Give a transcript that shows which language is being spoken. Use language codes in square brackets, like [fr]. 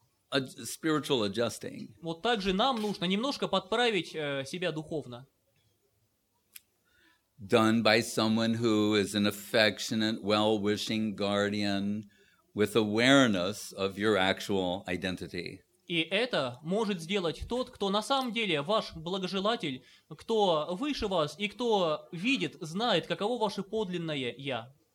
[ru] Вот также нам нужно немножко подправить себя духовно. [en] Done by someone who is an affectionate, well-wishing guardian with awareness of your actual identity. [ru] И это может сделать тот, кто на самом деле ваш благожелатель, кто выше вас и кто видит, знает, каково ваше подлинное «я».